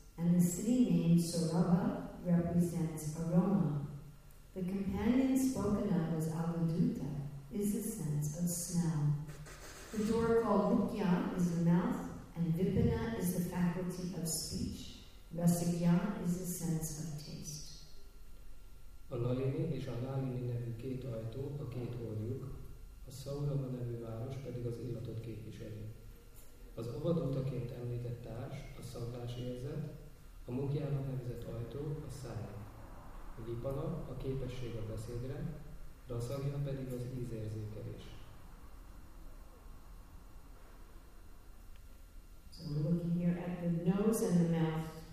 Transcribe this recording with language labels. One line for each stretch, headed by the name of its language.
English: And the city name Sorava represents aroma. The companion spoken of as Avaduta is the sense of smell. The door called Mukya is the mouth, and Vipana is the faculty of speech. Rasagya is the sense of taste.
Hungarian: A Nalini és a Nalini nevű két ajtó a két orjuk, a Sorava nevű város pedig az illatot képviseli. Az Avadutaként említett társ a szaglás érzet, a Mukyának nevezett ajtó a száj. A Vipana a képesség a beszédre, Rasagya pedig az ízérzékelés.
English: So we're looking here at the nose and the mouth.